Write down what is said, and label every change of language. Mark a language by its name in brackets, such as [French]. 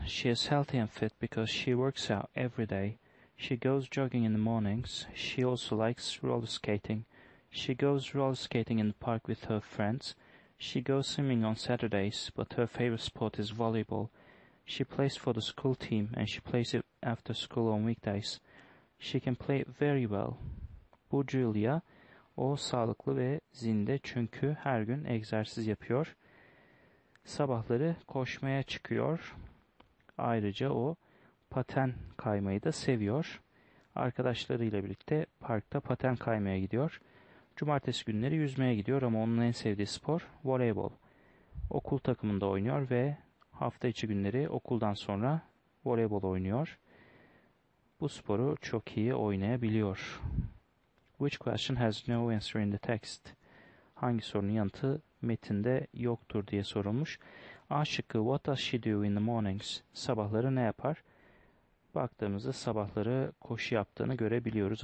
[English] She is healthy and fit because she works out every day. She goes jogging in the mornings. She also likes roller skating. She goes roller skating in the park with her friends. She goes swimming on Saturdays, but her favorite sport is volleyball. She plays for the school team and she plays it after school on weekdays. She can play it very well. [Turkish] Bu Julia, o sağlıklı ve zinde çünkü her gün egzersiz yapıyor. Sabahları koşmaya çıkıyor. Ayrıca o paten kaymayı da seviyor. Arkadaşlarıyla birlikte parkta paten kaymaya gidiyor. Cumartesi günleri yüzmeye gidiyor ama onun en sevdiği spor voleybol. Okul takımında oynuyor ve hafta içi günleri okuldan sonra voleybol oynuyor. Bu sporu çok iyi oynayabiliyor. [English] Which question has no answer in the text? [Turkish] Hangi sorunun yanıtı metinde yoktur diye sorulmuş. A şıkkı [English] What does she do in the mornings? [Turkish] Sabahları ne yapar? Baktığımızda sabahları koşu yaptığını görebiliyoruz.